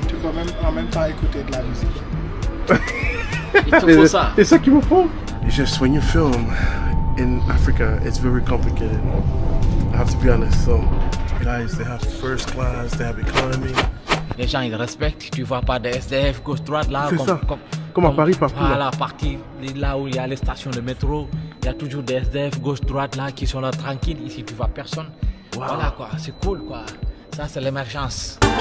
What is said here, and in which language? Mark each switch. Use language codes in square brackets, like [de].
[fr] Tu peux même en même temps écouter de la musique. Il te faut ça. C'est ça qu'il me faut. [en] Just when you film in Africa, it's very complicated. I have to be honest. So, guys, they have first class, they have economy. [fr] Les gens ils respectent. Tu vois pas des SDF gauche droite là. C'est comme, ça. Comme à Paris partout. Voilà, partie là où il y a les stations de métro, il y a toujours des SDF gauche droite là qui sont là tranquilles. Ici tu vois personne. [en] Wow. [fr] Voilà quoi, c'est cool quoi. Ça c'est l'émergence.